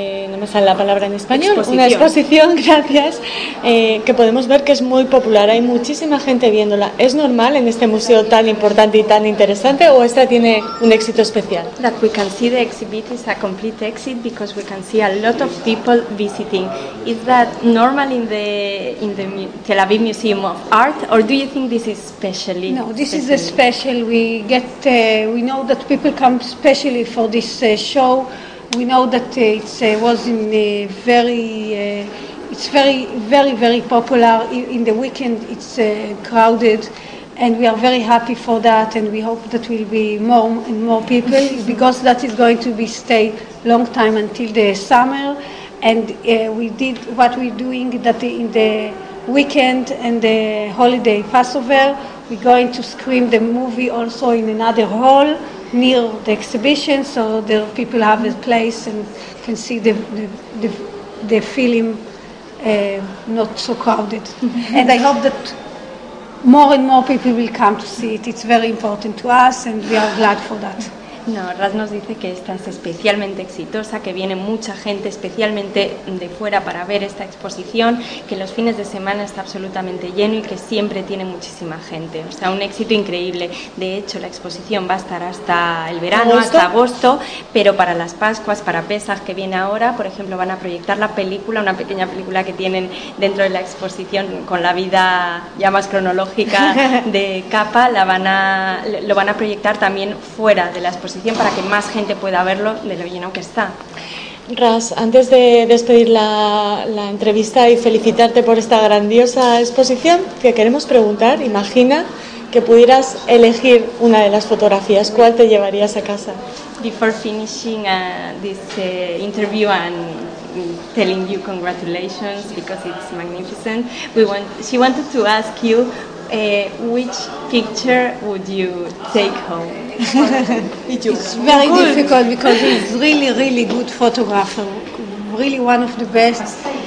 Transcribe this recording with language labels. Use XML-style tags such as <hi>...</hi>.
<es>no me sale la palabra en español, exposición. Una exposición, gracias, que podemos ver que es muy popular, hay muchísima gente viéndola. ¿Es normal en este museo tan importante y tan interesante o esta tiene un éxito especial?</es> <en>That we can see the exhibit is a complete exit because we can see a lot of people visiting. Is that normal in the Tel Aviv Museum of Art or do you think this is specially? No, this is a special. We know that people come specially for this show. We know that it's very, very popular in the weekend. It's crowded, and we are very happy for that. And we hope that will be more and more people because that is going to be stay long time until the summer. And we're doing that in the weekend and the holiday Passover. We're going to screen the movie also in another hall near the exhibition, so the people have a place and can see the film not so crowded. And I hope that more and more people will come to see it. It's very important to us and we are glad for that.</en> <es>No, Raz nos dice que esta es especialmente exitosa, que viene mucha gente especialmente de fuera para ver esta exposición, que los fines de semana está absolutamente lleno y que siempre tiene muchísima gente. O sea, un éxito increíble. De hecho, la exposición va a estar hasta el verano, hasta agosto, pero para las Pascuas, para Pesaj que viene ahora, por ejemplo, van a proyectar la película, una pequeña película que tienen dentro de la exposición con la vida ya más cronológica de Capa, lo van a proyectar también fuera de la exposición, para que más gente pueda verlo de lo lleno que está. Raz, antes de despedir la entrevista y felicitarte por esta grandiosa exposición, te queremos preguntar, imagina que pudieras elegir una de las fotografías, ¿cuál te llevarías a casa?</es> <en>Before finishing this interview and telling you congratulations because it's magnificent, she wanted to ask you which picture would you take home? It's very difficult because he's really, really good photographer, really one of the best.</en>